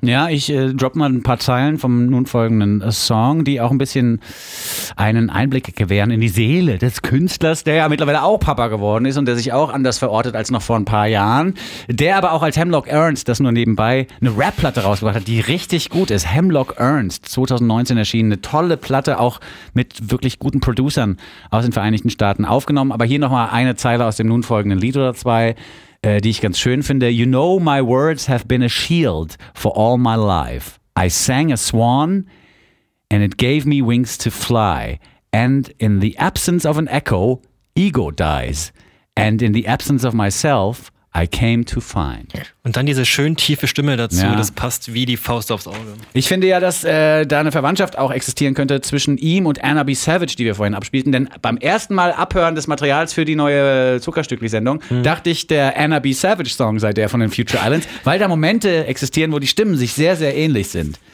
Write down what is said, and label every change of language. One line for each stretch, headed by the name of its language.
German: Ja, ich drop mal ein paar Zeilen vom nun folgenden Song, die auch ein bisschen einen Einblick gewähren in die Seele des Künstlers, der ja mittlerweile auch Papa geworden ist und der sich auch anders verortet als noch vor ein paar Jahren, der aber auch als Hemlock Earns, das nur nebenbei, eine Rap-Platte rausgebracht hat, die richtig gut ist. Hemlock Earns 2019 erschienen, eine tolle Platte, auch mit wirklich guten Producern aus den Vereinigten Staaten aufgenommen. Aber hier nochmal eine Zeile aus dem nun folgenden Lied oder zwei, die ich ganz schön finde.
English: You know my words have been a shield for all my life. I sang a swan and it gave me wings to fly. And in the absence of an echo, ego dies. And in the absence of myself, I came to find.
German: Und dann diese schön tiefe Stimme dazu, das passt wie die Faust aufs Auge. Ich finde ja, dass da eine Verwandtschaft auch existieren könnte zwischen ihm und Anna B. Savage, die wir vorhin abspielten. Denn beim ersten Mal Abhören des Materials für die neue Zuckerstückli-Sendung dachte ich, der Anna B. Savage-Song sei der von den Future Islands, weil da Momente existieren, wo die Stimmen sich sehr, sehr ähnlich sind.